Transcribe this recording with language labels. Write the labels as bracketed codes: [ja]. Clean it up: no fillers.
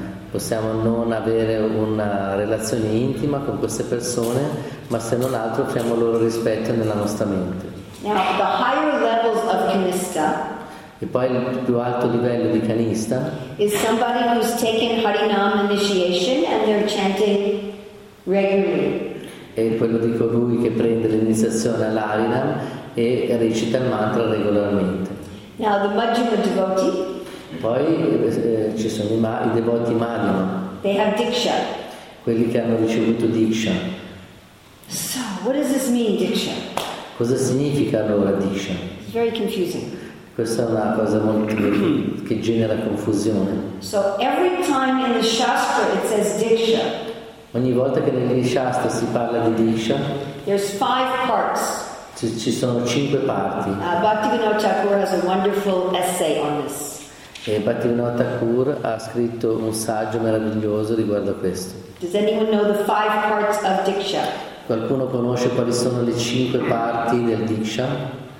[it] Possiamo non avere una relazione intima con queste persone, ma se non altro offriamo loro rispetto nella nostra mente. [en] Now, the higher levels of kanista, [it] e poi il più alto livello di kanista [en] is somebody who's taken Harinam initiation and they're chanting regularly. [it] È quello di colui che prende l'iniziazione all'Harinam e recita il mantra regolarmente. [en] Now, the Majjhima devotee. [it] Poi ci sono i devoti madhyama. [en] They have diksha. [it] Quelli che hanno ricevuto diksha. [en] So, what does this mean, diksha? [it] Cosa significa allora diksha? [en] It's very confusing. [it] Questa è una cosa molto che genera confusione. [en] So, every time in the shastra it says diksha. [it] Ogni volta che negli shastra si parla di diksha. [en] There's five parts. [it] Ci sono cinque parti. [en] Bhaktivinoda Thakur has a wonderful essay on this. [it] E Bhaktivinoda Thakur ha scritto un saggio meraviglioso riguardo a questo. [en] Does anyone know the five parts of diksha? [it] Qualcuno conosce quali sono le cinque parti del diksha?